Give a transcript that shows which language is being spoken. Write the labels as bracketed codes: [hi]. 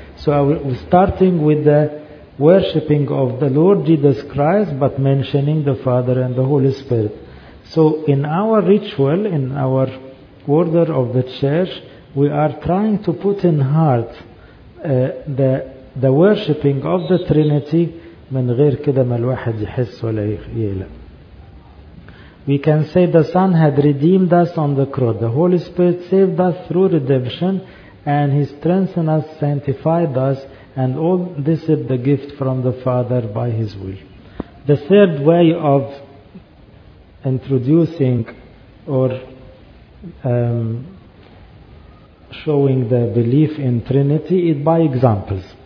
[en] So we're starting with the worshipping of the Lord Jesus Christ, but mentioning the Father and the Holy Spirit. So in our ritual, in our order of the church, we are trying to put in heart the worshipping of the Trinity. [ar] من غير كده ما الواحد يحس ولا يقلق. [en] We can say the Son had redeemed us on the cross. The Holy Spirit saved us through redemption, and He strengthened us, sanctified us, and all this is the gift from the Father by His will. The third way of introducing or showing the belief in Trinity is by examples.